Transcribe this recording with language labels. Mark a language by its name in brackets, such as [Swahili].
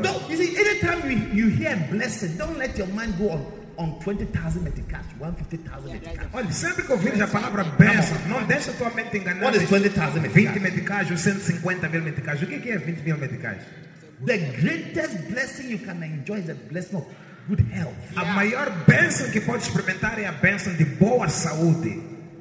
[English] No, you see, anytime you hear a blessing, don't let your mind go on 20,000 meticash, 150,000 meticash. [Portuguese] Olha, sempre que ouvires a palavra bênção, não deixa tua mente enganar. [English] What is 20,000 meticash? [Portuguese] 20 meticash ou 150 mil meticash. O que é 20 mil meticash? [English] The greatest blessing you can enjoy is the blessing of good health. Yeah. [Portuguese] A maior bênção que pode experimentar é a bênção de boa saúde.